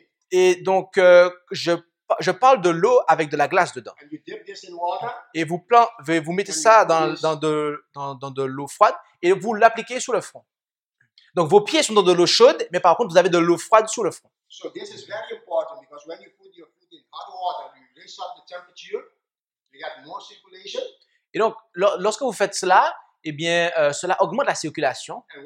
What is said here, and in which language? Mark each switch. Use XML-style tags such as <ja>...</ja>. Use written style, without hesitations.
<fr>Et donc, je parle de l'eau avec de la glace dedans. Et vous mettez ça dans de l'eau froide et vous l'appliquez sur le front. Donc, vos pieds sont dans de l'eau chaude, mais par contre, vous avez de l'eau froide sur le front.</fr> <en>So this is very important because when you put your foot in hot water, you raise up the temperature, you get more circulation.</en> <fr>Et donc, lorsque vous faites cela, eh bien, cela augmente la circulation.</fr>